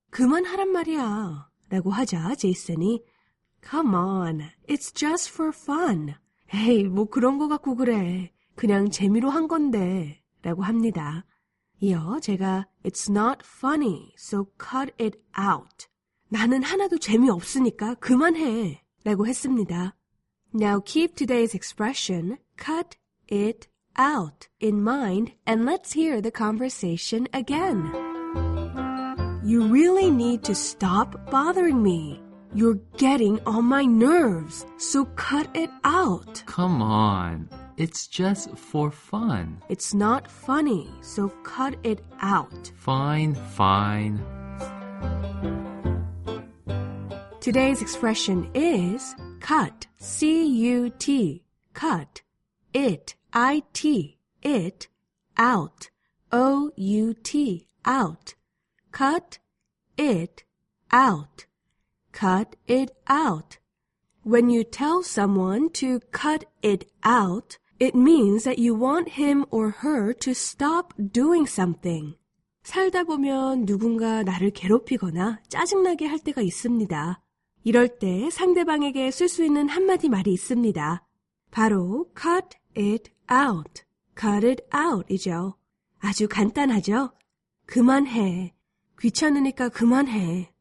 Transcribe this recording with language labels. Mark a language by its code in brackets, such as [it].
[ko] 그만하란 말이야. 라고 하자 제이슨이 [en] Come on, it's just for fun. [ko] 에이, 뭐 그런 거 갖고 그래. 그냥 재미로 한 건데. 라고 합니다. 이어 제가 [en] It's not funny, so cut it out. [ko] 나는 하나도 재미없으니까 그만해. 라고 했습니다. [en] Now keep today's expression, cut it out, in mind, and let's hear the conversation again. You really need to stop bothering me. You're getting on my nerves, so cut it out. Come on. It's just for fun. It's not funny, so cut it out. Fine, fine. Today's expression is cut, C-U-T, cut, it, I-T, it, out, O-U-T, out, cut, it, out, cut it out. When you tell someone to cut it out, it means that you want him or her to stop doing something. [ko] 살다 보면 누군가 나를 괴롭히거나 짜증나게 할 때가 있습니다. 이럴 때 상대방에게 쓸 수 있는 한마디 말이 있습니다. 바로 cut it out. cut it out이죠. 아주 간단하죠? 그만해. 귀찮으니까 그만해.